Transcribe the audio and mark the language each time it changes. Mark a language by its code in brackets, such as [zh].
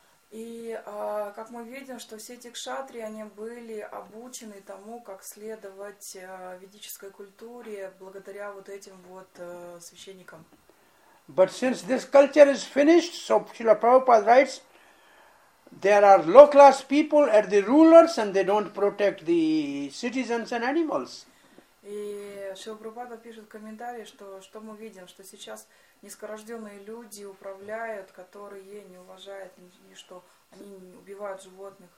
[ru] И как мы видим, что все эти кшатри, они были обучены тому, как следовать ведической культуре благодаря вот этим вот священникам. [en] But since this culture is finished, so Srila Prabhupada writes, there are low-class people at the rulers and they don't protect the citizens and animals. [ru] И Шрила Прабхупада пишет в комментарии, что мы видим, что сейчас низкорожденные люди управляют, которые не уважают ничто, они убивают животных.